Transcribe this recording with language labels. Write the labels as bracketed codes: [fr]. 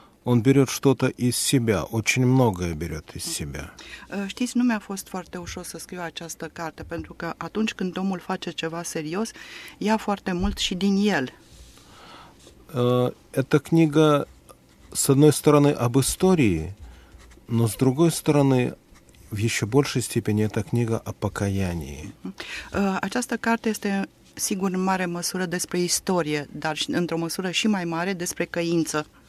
[ru] Он берет что-то из себя, очень многое берет из себя. [ro] Știți, nu mi-a fost foarte ușor să scriu această carte, pentru că atunci când omul face ceva serios, ia foarte mult și din el. [ru] Эта книга, с одной стороны, об истории, но с другой стороны, в еще большей степени, эта книга о покаянии. [ro] Această carte este, sigur, în mare măsură despre istorie, dar într-o măsură și mai mare despre căință.